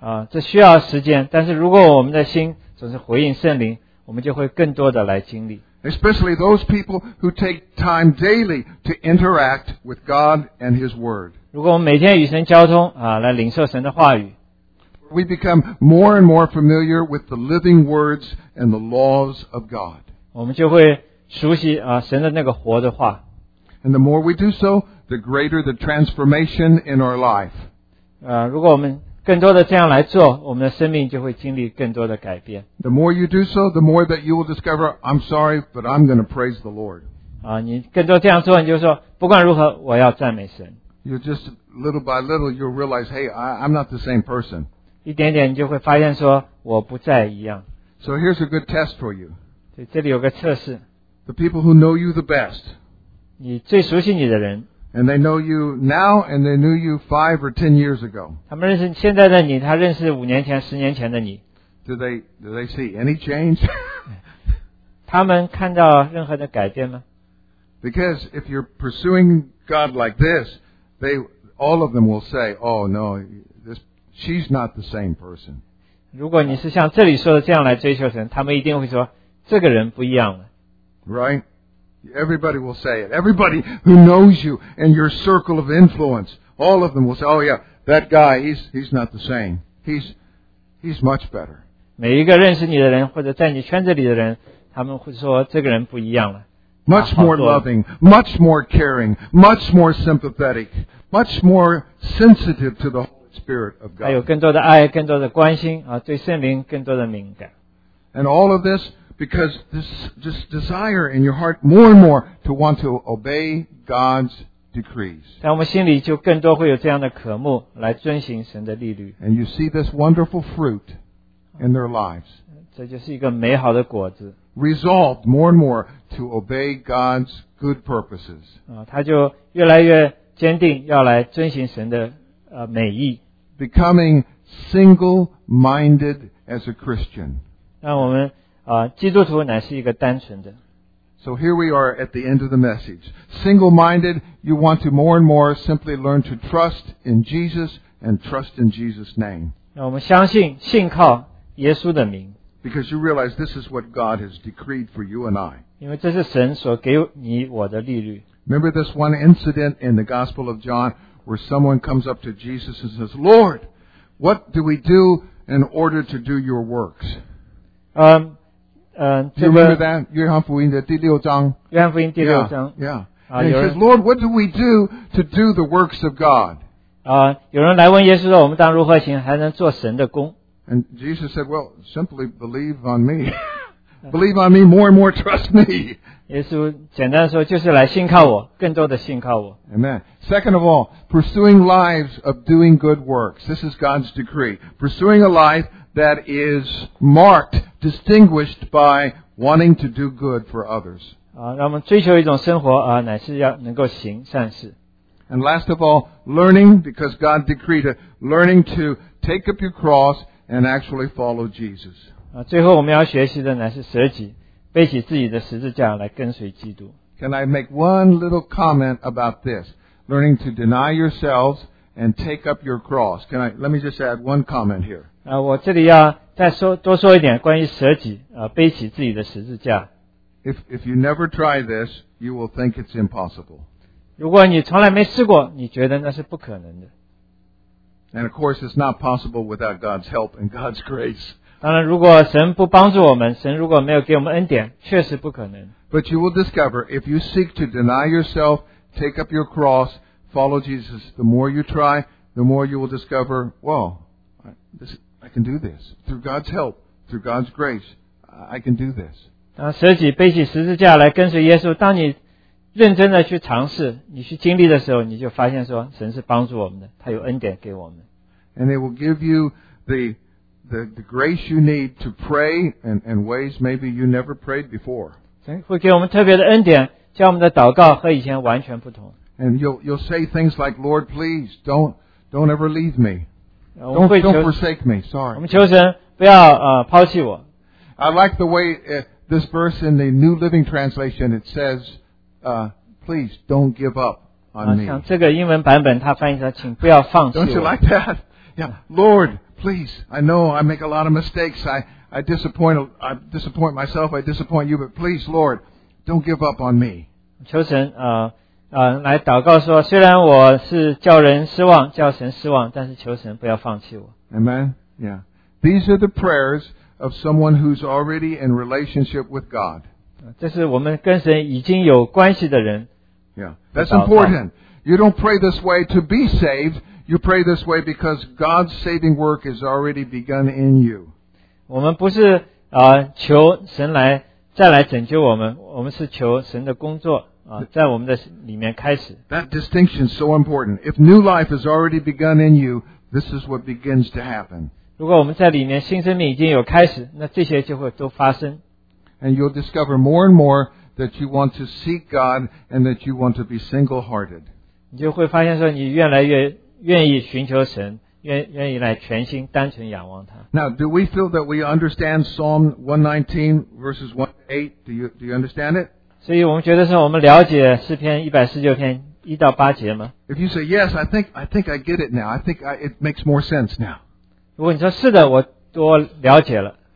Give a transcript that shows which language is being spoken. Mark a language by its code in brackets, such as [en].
[zh] 这需要时间，但是如果我们的心总是回应圣灵，我们就会更多的来经历。 [en] Especially those people who take time daily to interact with God and His Word. [zh] 如果我们每天与神交通来领受神的话语。 [en] We become more and more familiar with the living words and the laws of God. [zh] 我们就会熟悉神的那个活的话。 [en] And the more we do so, the greater the transformation in our life. [zh] 如果我们更多的这样来做，我们的生命就会经历更多的改变。 [en] The more you do so, the more that you will discover, I'm sorry, but I'm going to praise the Lord. [zh] 你更多这样做，你就说，不管如何，我要赞美神。 [en] You just little by little, you'll realize, hey, I'm not the same person. [zh] 一点点，你就会发现说，我不再一样。 [en] So here's a good test for you. [zh] 对，这里有个测试。 [en] The people who know you the best. [zh] 你最熟悉你的人。 [en] And they know you now, and they knew you 5 or 10 years ago. [zh] 他们认识现在的你，他认识五年前、十年前的你。 [en] Do they see any change? [zh] 他们看到任何的改变吗？ [en] Because if you're pursuing God like this, all of them will say, "Oh no, she's not the same person." [zh] 如果你是像这里说的这样来追求神，他们一定会说这个人不一样了。 [en] Right. Everybody will say it. Everybody who knows you and your circle of influence, all of them will say, oh yeah, that guy, he's not the same. He's much better. [zh] 每一个认识你的人或者在你圈子里的人，他们会说这个人不一样了。 [en] Much more loving, much more caring, much more sympathetic, much more sensitive to the Holy Spirit of God. [zh] 还有更多的爱，更多的关心对圣灵更多的敏感。 [en] And all of thisBecause this desire in your heart more and more to want to obey God's decrees. [zh] 在我们心里就更多会有这样的渴慕来遵行神的律例。 [en] And you see this wonderful fruit in their lives. [zh] 这就是一个美好的果子。 [en] Resolved more and more to obey God's good purposes. [zh] 他就越来越坚定要来遵行神的美意。 [en] Becoming single-minded as a Christian. [zh] 让我们基督徒乃是一个单纯的。 [en] So here we are at the end of the message. Single-minded, you want to more and more simply learn to trust in Jesus and trust in Jesus' name. [zh] 那我们相信信靠耶稣的名。 [en] Because you realize this is what God has decreed for you and I. [zh] 因为这是神所给你我的律例。 [en] Remember this one incident in the Gospel of John where someone comes up to Jesus and says, Lord, what do we do in order to do your works? Do you remember that? [zh] 约翰福音的第六章。约翰福音第六章。 [en] And he says, Lord, what do we do to do the works of God? [zh] 有人来问耶稣说我们当如何行还能做神的工。 [en] And Jesus said, well, simply believe on me. Believe on me more and more, trust me. [zh] 耶稣简单说就是来信靠我更多的信靠我。 [en] Amen. Second of all, pursuing lives of doing good works. This is God's decree. Pursuing a life that is marked, distinguished by wanting to do good for others. [zh] 让我们追求一种生活乃是要能够行善事。 [en] And last of all, learning, because God decreed it, learning to take up your cross,And actually follow Jesus. [zh] 最后我们要学习的乃是舍己，背起自己的十字架来跟随基督。 [en] Can I make one little comment about this? Learning to deny yourselves and take up your cross. Let me just add one comment here. [zh] 我这里要再说多说一点关于舍己，背起自己的十字架。 [en] If you never try this, you will think it's impossible. [zh] 如果你从来没试过，你觉得那是不可能的。 [en] And of course, it's not possible without God's help and God's grace. [zh] 当然，如果神不帮助我们，神如果没有给我们恩典，确实不可能。 [en] But you will discover if you seek to deny yourself, take up your cross, follow Jesus. The more you try, the more you will discover. Well, I can do this through God's help, through God's grace. I can do this. [zh] 当舍己背起十字架来跟随耶稣，当你认真的去尝试，你去经历的时候，你就发现说，神是帮助我们的，他有恩典给我们。 [en] And it will give you the grace you need to pray and ways maybe you never prayed before. [zh] 神会给我们特别的恩典，叫我们的祷告和以前完全不同。 [en] And you'll say things like, Lord, please don't ever leave me, don't forsake me. Sorry. [zh] 我们求神不要抛弃我。 [en] I like the way this verse in the New Living Translation it says. Please don't give up on me. [zh] 像这个英文版本，它翻译成“请不要放弃我” [en] Don't you like that? Yeah, Lord, please. I know I make a lot of mistakes. I disappoint myself. I disappoint you. But please, Lord, don't give up on me. [zh] 求神来祷告说，虽然我是叫人失望，叫神失望，但是求神不要放弃我。 [en] Amen. Yeah. These are the prayers of someone who's already in relationship with God. [zh] 这是我们跟神已经有关系的人。 [en] Yeah, that's important. You don't pray this way to be saved. You pray this way because God's saving work has already begun in you. [zh] 我们不是求神来再来拯救我们，我们是求神的工作在我们的里面开始。 [en] That distinction is so important. If new life has already begun in you, this is what begins to happen. [zh] 如果我们在里面新生命已经有开始，那这些就会都发生。 [en] And you'll discover more and more that you want to seek God and that you want to be single-hearted. [zh] 你就会发现说你越来越愿意寻求神，愿意来全心单纯仰望他。 [en] Now, do we feel that we understand Psalm 119 verses 1-8? Do you understand it? [zh] 所以我们觉得说我们了解诗篇119篇一到八节吗？ [en] If you say yes, I think I get it now. I think it makes more sense now. [zh] 如果你说是的，我多了解了。